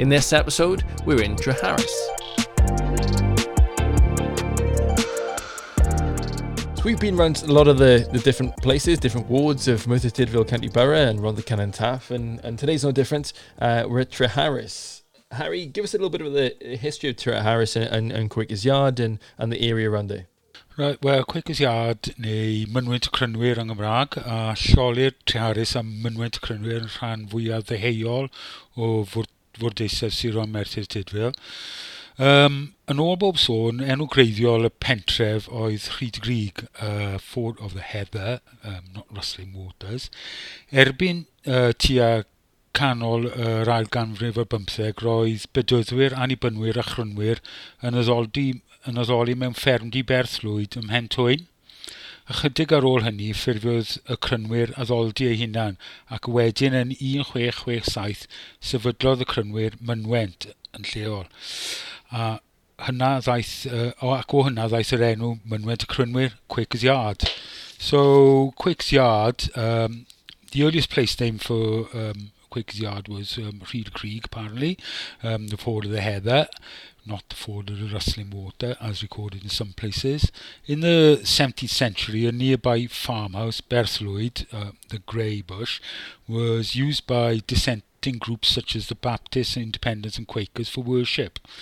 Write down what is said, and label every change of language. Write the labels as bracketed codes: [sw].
[en] In this episode, we're in Treharris. So we've been around a lot of the different places, different wards of Merthyr Tydfil County Borough and Rhondda Cynon Taf, and today's no different. We're at Treharris. Harry, give us a little bit of the history of Treharris and Quakers Yard and the area around there. [cy] Right, well, Quakers Yard neu Mynwent Crynwyr yng Nghymraeg a lleolir Treharris a Mynwent Crynwyr yn rhan fwyaf ddeheuol o fwrdeisau Sir Owen Merthyr Tydfil. Yn ôl bob sôn, enw greiddiol y pentref oedd Rhyd Grig, [en] Ford of the Heather, not Rustling Waters. [cy] Erbyn tua canol yr ail ganrif o'r bymtheg, roedd bydwyddwyr, annibynwyr a chrynwyr yn addoli mewn fferm di Berthlwyd ym Mhentwyn. Ychydig ar ôl hynny, ffurfiodd y crynwyr addoldi eu hunan, ac wedyn yn 1667 sefydlodd y crynwyr Mynwent yn lleol. Ac o hynna ddaeth yr enw Mynwent y Crynwyr, Quakers Yard. [en] So, Quakers Yard, the earliest place name for Quakers Yard was Rhyd Grig, apparently, the Ford of the Heather, not the Ford of the Rustling Water, as recorded in some places. In the 17th century, a nearby farmhouse, Berthlwyd, the Grey Bush, was used by dissenting groups such as the Baptists, Independents and Quakers for worship.